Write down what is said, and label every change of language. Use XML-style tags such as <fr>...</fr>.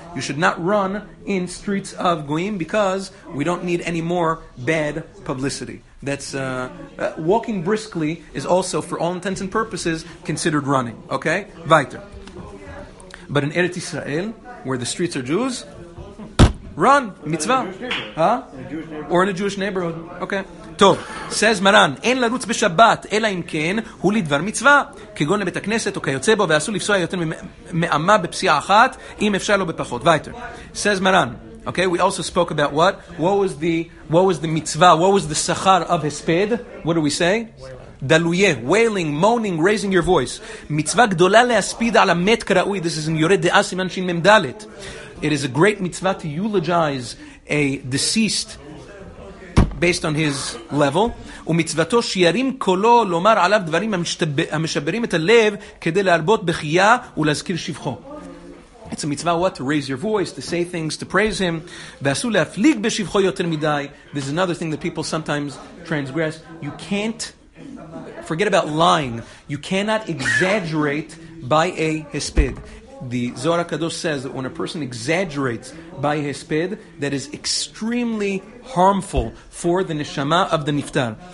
<en>You should not run in streets of goyim because we don't need any more bad publicity. That's walking briskly is also, for all intents and purposes, considered running. Okay, weiter. But in Eretz Yisrael, where the streets are Jews, run mitzvah, huh? Or in a Jewish neighborhood, okay. Tov, says Maran,</en> <he>אין לרוץ בשבת, אלא אם כן, הוא לדבר מצווה, כגון לבית הכנסת, או כיוצא בו, ואסור לפסוע יותר מאמה בפסיעה אחת, אם אפשר לו בפחות.</he> <en>Weiter. Says Maran, okay, we also spoke about what? What was the mitzvah? What was the שכר of הספד? What do we say? דלויה, wailing, moaning, raising your voice.</en> <he>מצווה גדולה להספיד על המת כראוי, this is in יורד דעה סימן שין ממדלת.</he> <en>It is a great mitzvah to eulogize a deceased based on his level.</en> <he>ומצוותו שירים קולו לומר עליו דברים המשברים את הלב כדי להרבות בחייה ולהזכיר שבחו.</he> <en>It's a mitzvah what? To raise your voice, to say things, to praise him.</en> <he>ועשו להפליג בשבחו יותר מדי.</he> <en>This is another thing that people sometimes transgress. You can't, forget about lying. You cannot exaggerate by a hesped. The Zohar HaKadosh says that when a person exaggerates by hesped, that is extremely harmful for the neshama of the niftar.</en>